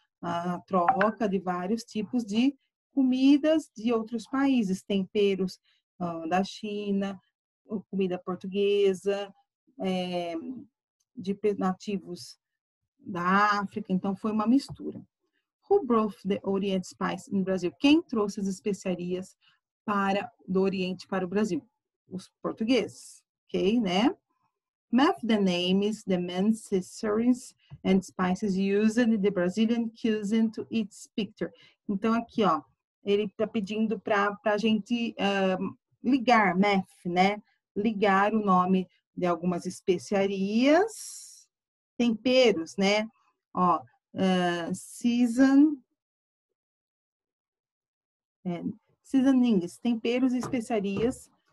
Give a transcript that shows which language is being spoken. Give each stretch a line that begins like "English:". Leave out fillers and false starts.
Portuguese: A troca de vários tipos de comidas de outros países, temperos, da China, comida portuguesa, de nativos da África. Então, foi uma mistura.
English: Who brought the Orient Spice in Brazil?
Portuguese: Quem trouxe as especiarias do Oriente para o Brasil? Os portugueses, ok, né?
English: Map the names, the main seasonings and spices used in the Brazilian cuisine to its picture.
Portuguese: Então, aqui, ó, ele tá pedindo pra gente ligar, map, né? Ligar o nome de algumas especiarias, temperos, né? Ó,
English: season and seasonings,
Portuguese: temperos e especiarias.